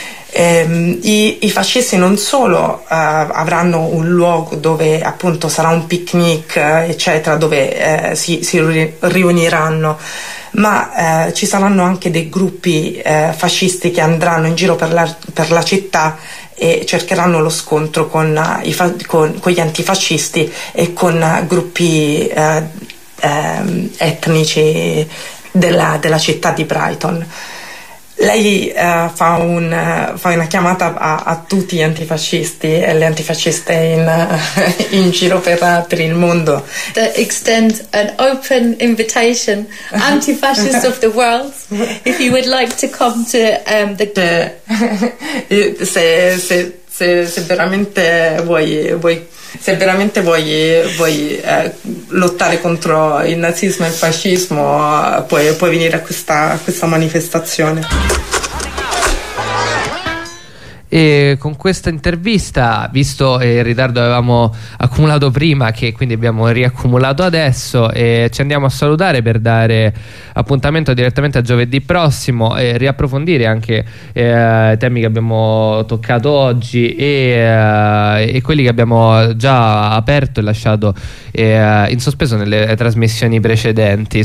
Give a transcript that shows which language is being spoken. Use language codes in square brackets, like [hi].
[it] I fascisti non solo avranno un luogo dove appunto sarà un picnic eccetera, dove si riuniranno, ma ci saranno anche dei gruppi fascisti che andranno in giro per la città e cercheranno lo scontro con gli antifascisti e con gruppi etnici della città di Brighton. Lei fa una chiamata a tutti gli antifascisti e le antifasciste in giro per il mondo. [en] To extend an open invitation, antifascists of the world, if you would like to come to the. [it] Se veramente vuoi lottare contro il nazismo e il fascismo, puoi venire a questa manifestazione. E con questa intervista, visto il ritardo avevamo accumulato prima, che quindi abbiamo riaccumulato adesso, e ci andiamo a salutare per dare appuntamento direttamente a giovedì prossimo e riapprofondire anche i temi che abbiamo toccato oggi e quelli che abbiamo già aperto e lasciato in sospeso nelle trasmissioni precedenti.